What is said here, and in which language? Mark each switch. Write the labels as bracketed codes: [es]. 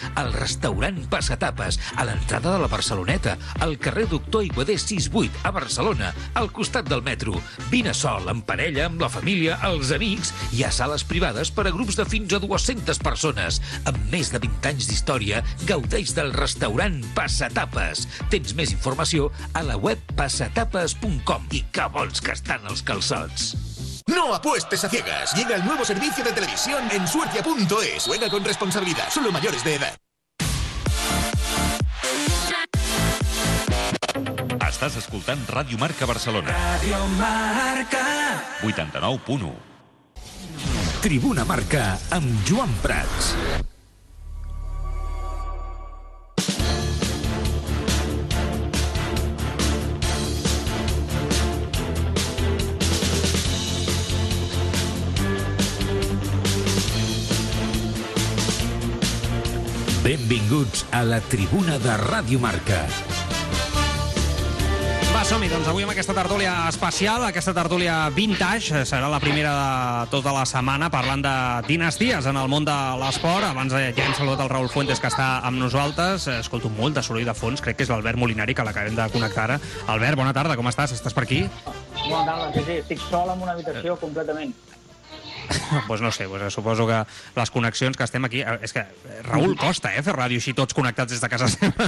[ca] Al restaurant Passatapes, a l'entrada de la Barceloneta, al carrer Doctor Aiguader 68, a Barcelona, al costat del metro. Vine sol, en parella, amb la família, els amics. Hi ha sales privades per a grups de fins a 200 persones. Amb més de 20 anys d'història, gaudeix del restaurant Passatapes. Tens més informació a la web passatapes.com. [es] ¡Qué bons que están los calzots! No apuestes a ciegas. Llega el nuevo servicio de televisión en suertia.es. Juega con responsabilidad. Solo mayores de edad. Estás escuchando Radio Marca Barcelona. Radio Marca. 89.1. [ca] Tribuna Marca amb Joan Prats. Benvinguts a la tribuna de Ràdio Marca. Va, som-hi, doncs avui amb aquesta tertúlia especial, aquesta tertúlia vintage, serà la primera de tota la setmana parlant de dinasties en el món de l'esport. Abans ja hem saludat el Raül Fuentes, que està amb nosaltres. Escolto molt de soroll de fons, crec que és l'Albert Molinari, que l'acabem de connectar ara. Albert, bona tarda, com estàs? Estàs per aquí? Bona tarda, sí, estic sol en una habitació completament. [es] Pues no sé, [ca] pues suposo que les connexions que estem aquí... És que Raül costa, fer ràdio així tots connectats des de casa seva.